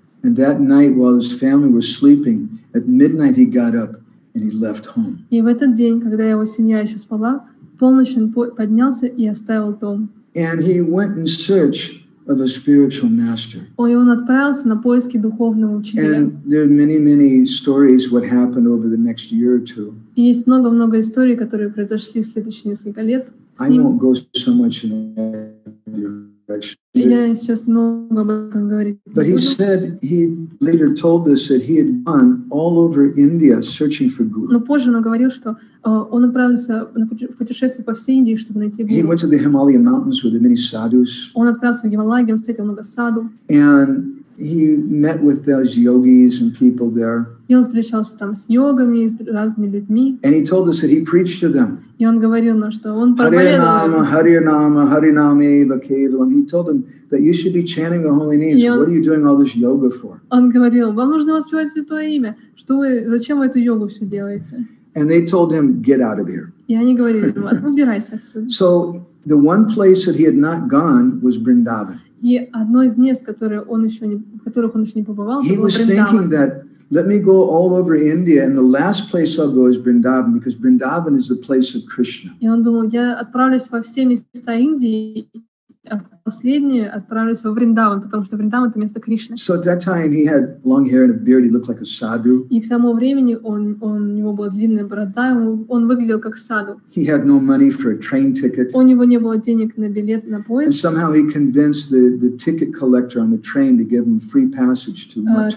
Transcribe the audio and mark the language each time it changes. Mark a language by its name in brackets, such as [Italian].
[English] And that night, while his family was sleeping, at midnight he got up. And he left home. [Russian] И в этот день, когда его семья еще спала, полночь он поднялся и оставил дом. [English] And he went in search of a spiritual master. [Russian] И он отправился на поиски духовного учителя. [English] And there are many, many stories what happened over the next year or two. [Russian] И есть много-много историй, которые произошли в следующие несколько лет с ним. [English] I won't go so much in that direction. [Russian] Я сейчас много об этом говорить. [English] But he said he later told us that he had gone all over India searching for guru. [Russian] Но позже он говорил, что он отправился на путешествие по всей Индии, чтобы найти гуру. [English] He went to the Himalaya mountains with many sadhus. [Russian] Он отправился в Гималаи, где он встретил много саду. [English] And he met with those yogis and people there. [Russian] И он встречался там с йогами и с разными людьми. [English] And he told us that he preached to them. [Russian] И он говорил нам, что он проповедовал. [English] He told them that you should be chanting the holy names. What are you doing all this yoga for? [Russian] Он говорил, вам нужно воспевать святое имя. Что вы, зачем вы эту йогу все делаете? [English] And they told him, get out of here. [Russian] И они говорили ему, убирайся отсюда. [English] So the one place that he had not gone was Vrindavan. [Russian] И одно из мест, которых он еще не побывал, [English] he was thinking that. Let me go all over India, and the last place I'll go is Vrindavan, because Vrindavan is the place of Krishna. [Russian] И он думал, я отправлюсь во все места Индии, а последнее отправлюсь во Вриндаван, потому что Вриндаван это место Кришны. [English] So at that time he had long hair and a beard; he looked like a sadhu. [Russian] И к тому времени он у него была длинная борода, он выглядел как саду. [English] He had no money for a train ticket. [Russian] У него не было денег на билет на поезд. [English] And somehow he convinced the ticket collector on the train to give him free passage to Mathura.